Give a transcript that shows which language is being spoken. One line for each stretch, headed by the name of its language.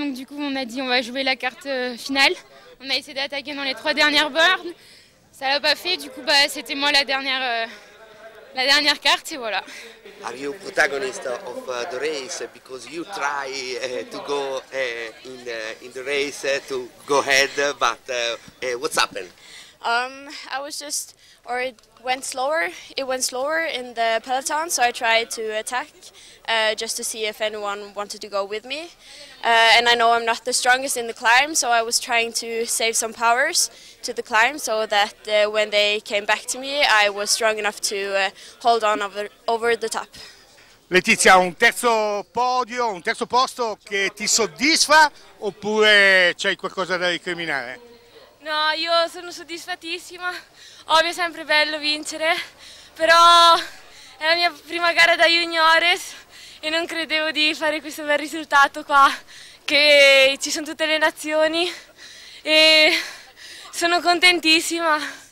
French: Donc, du coup, on a dit on va jouer la carte finale. On a essayé d'attaquer dans les trois dernières bornes. Ça ne l'a pas fait. Du coup, bah, c'était moi la dernière carte et voilà.
English: Are you protagonist of the race because you try to go in the race to go ahead, but what's happened? I was just, or it went slower in the peloton, so I tried to attack just to see if anyone wanted to go with me. And I know I'm not the strongest in the climb, so I was trying to save some powers to the climb so that when they came back to me, I was strong enough to hold on over the top.
Italian: Letizia, un terzo podio, un terzo posto che ti soddisfa oppure c'hai qualcosa da recriminare? No, io sono soddisfatissima, ovvio è sempre bello vincere, però è la mia prima gara da juniores e non credevo di fare questo bel risultato qua, che ci sono tutte le nazioni e sono contentissima.